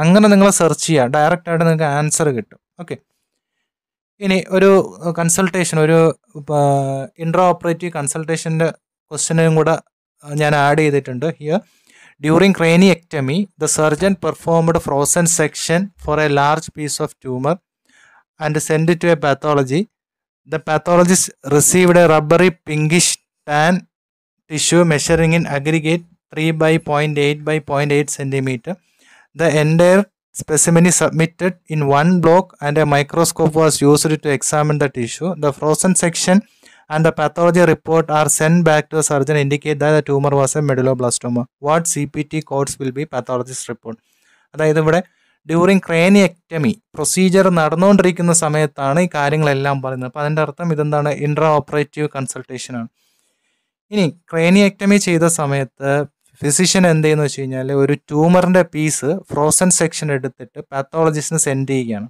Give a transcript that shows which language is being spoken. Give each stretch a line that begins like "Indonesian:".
Malayalam: അങ്ങനെ നിങ്ങൾ സെർച്ച് ചെയ്യുക, ഡയറക്റ്റ് ആയിട്ട് നിങ്ങൾക്ക് ആൻസർ കിട്ടും. ഓക്കെ, ഇനി ഒരു കൺസൾട്ടേഷൻ, ഒരു ഇൻട്രാ ഓപ്പറേറ്റീവ് കൺസൾട്ടേഷൻ്റെ ക്വസ്റ്റ്യനും കൂടെ ഞാൻ ആഡ് ചെയ്തിട്ടുണ്ട്.
English: Here during craniectomy the surgeon performed frozen section for a large piece of tumour and send it to a pathology. The pathologist received a rubbery pinkish tan tissue measuring in aggregate 3 by 0.8 by 0.8 centimeter. The entire specimen is submitted in one block and a microscope was used to examine the tissue. The frozen section and the pathology report are sent back to the surgeon indicate that the tumor was a medulloblastoma. What CPT codes will be pathologist report?
Malayalam: അതായത് ഇവിടെ during ക്രേനിയക്ടമി procedure നടന്നുകൊണ്ടിരിക്കുന്ന സമയത്താണ് ഈ കാര്യങ്ങളെല്ലാം പറയുന്നത്. അപ്പോൾ അതിൻ്റെ അർത്ഥം ഇതെന്താണ്? ഇൻട്രാ ഓപ്പറേറ്റീവ് കൺസൾട്ടേഷൻ ആണ്. ഇനി ക്രേനിയക്ടമി ചെയ്ത സമയത്ത് ഫിസിഷ്യൻ എന്ത് ചെയ്യുന്ന വെച്ച് കഴിഞ്ഞാൽ ഒരു ട്യൂമറിൻ്റെ പീസ് ഫ്രോസൺ സെക്ഷൻ എടുത്തിട്ട് പാത്തോളജിസ്റ്റിന് സെൻഡ് ചെയ്യുകയാണ്.